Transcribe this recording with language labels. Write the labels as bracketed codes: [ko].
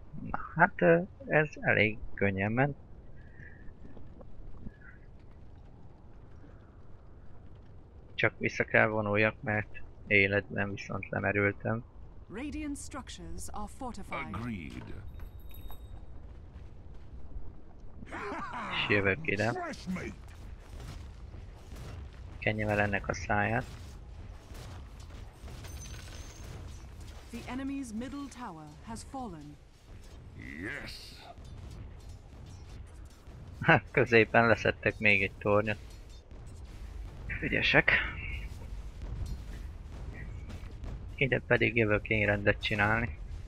[hu] Na, hát ez elég könnyen ment. Csak vissza kell vonuljak, mert életben viszont lemerültem. [en] Radiant structures are fortified. Agreed. [hu] És jövök ide. Kenjem el ennek a száját. [en] The enemy's middle tower has fallen. Yes. [hu] Középen leszettek még egy tornyot. Ügyesek. Ide pedig jövök én rendet csinálni.